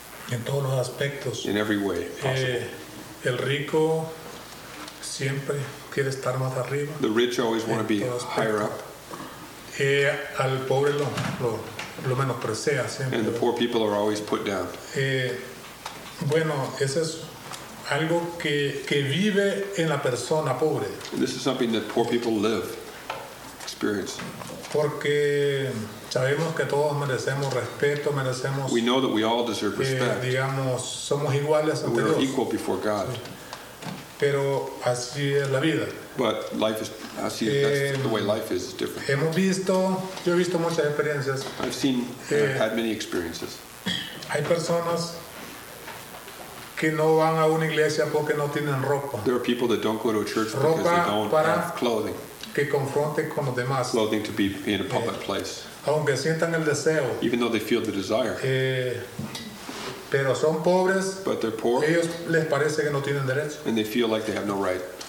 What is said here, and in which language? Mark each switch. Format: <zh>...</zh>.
<es>en todos los aspectos,</es> <en>in every way possible.</en> <es>El rico siempre quiere estar más arriba,</es> <en>the rich always want to be higher up.</en> <es>Al pobre lo menosprecia siempre.</es> <en>And the poor people are always put down.</en> <es>Bueno, eso es algo que vive en la persona pobre.</es> <en>This is something that poor people live, experience.</en> <es>Porque sabemos que todos merecemos respeto, merecemos...</es> <en>We know that we all deserve respect.</en> <es>Digamos, somos iguales ante Dios.</es> <en>We are equal before God.</en> <es>Pero así es la vida.</es> <en>But life is, I see that's the way life is different.</en> <es>Hemos visto, yo he visto muchas experiencias.</es> <en>I've seen, I've had many experiences.</en> <es>Hay personas que no van a una iglesia porque no tienen ropa.</es> <en>There are people that don't go to a church</en> <es>ropa</es> <en>because they don't have clothing.</en> <es>Que confronte con los demás.</es> <en>Clothing to be in a public place.</en> <es>Aunque sientan el deseo.</es> <en>Even though they feel the desire.</en> <es>Pero son pobres.</es> <en>But they're poor.</en> <es>Ellos les parece que no tienen derecho.</es> <en>And they feel like they have no right.</en>